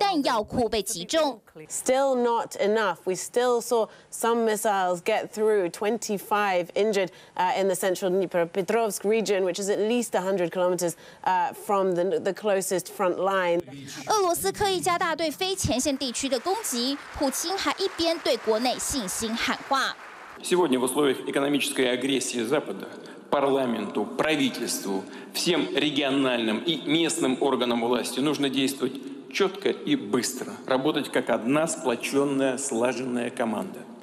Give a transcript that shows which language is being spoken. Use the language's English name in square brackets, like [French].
[Chinese] 乌克兰表示，俄罗斯发射了18枚飞弹，他们拦截了15枚，但传出位于第聂伯罗巴甫洛格勒市的一处弹药库被击中。 [English] Still not enough. We still saw some missiles get through. 25 injured in the central Dnipropetrovsk region, which is at least 100 kilometers from the closest front line. [Chinese] 俄罗斯刻意加大对非前线地区的攻击，普京还一边对国内信心喊话。 [Russian] Сегодня в условиях экономической агрессии Запада парламенту, правительству, всем региональным и местным органам власти нужно действовать четко и быстро, работать как одна сплоченная, слаженная команда.